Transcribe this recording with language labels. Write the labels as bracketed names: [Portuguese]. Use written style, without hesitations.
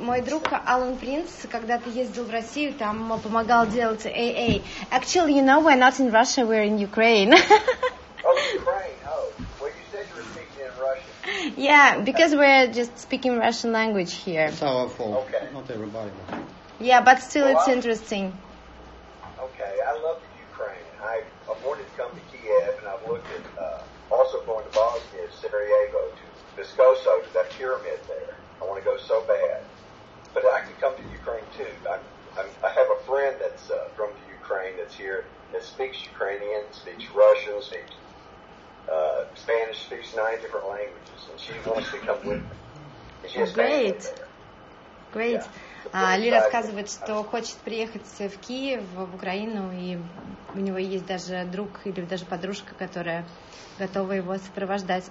[Russian] Мой друг Алан Принц когда-то ездил в Россию, там помогал делать AA. [English] Actually, you know, we're not in Russia, we're in Ukraine. Oh, Ukraine. Well, you said you were speaking in Russian. Yeah, because we're just speaking Russian language here. It's our fault. Okay. Not everybody. But... Yeah, but still, well, it's interesting. Okay, I love Ukraine. I wanted to come to Kiev, and I've looked at also going to Bosnia, Sarajevo, to Viscoso, to that pyramid there. I want to go so bad. But I could come to Ukraine, too. I have a friend that's from the Ukraine that's here that speaks Ukrainian, speaks Russian, speaks Spanish, speaks 9 different languages, and she wants to come with me. And she has family there. Great. [Russian] Ли рассказывает, что хочет приехать в Киев, в Украину, и у него есть даже друг или даже подружка, которая готова его сопровождать.